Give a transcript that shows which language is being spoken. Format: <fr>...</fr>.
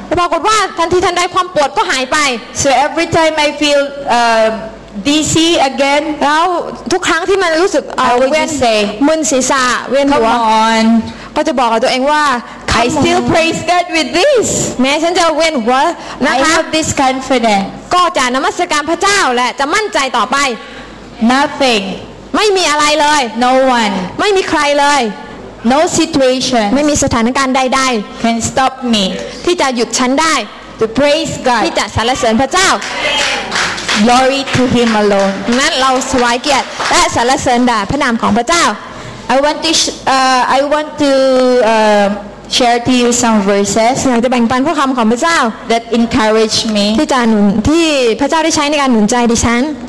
<th>บอกว่าทันทีทันใดความปวดก็หายไป</th> <en>So every time I feel dizzy again,</en> <th>แล้วทุกครั้งที่มันรู้สึกมึนศีรษะเวียนหัว</th> <en>Come on.</en> <th>ก็จะบอกกับตัวเองว่า</th> <en>I still praise God with this.</en> <th>แม้ฉันจะเวียนหัวนะคะ</th> <en>I have this confidence.</en> <th>ก็จะนมัสการพระเจ้าและจะมั่นใจต่อไป</th> <en>Nothing.</en> <th>ไม่มีอะไรเลย</th> <en>No one.</en> <th>ไม่มีใครเลย</th> <en>No situation</en> <th>ไม่มีสถานการณ์ใด</th> <en>ๆ can stop me</en> <th>ที่จะหยุดฉันได้</th> <en>to praise God</en> <th>ที่จะสรรเสริญพระเจ้า</th> <en>glory to him alone</en> <th>นั้นเราสวายเกียรติและสรรเสริญแด่พระนามของพระเจ้า</th> <en>I want to share to you some verses</en> <th>อยากจะแบ่งปันพระคำของพระเจ้า</th> <en>that encourage me</en> <th>ที่จะหนุนที่พระเจ้าได้ใช้ในการหนุนใจดิฉัน</th>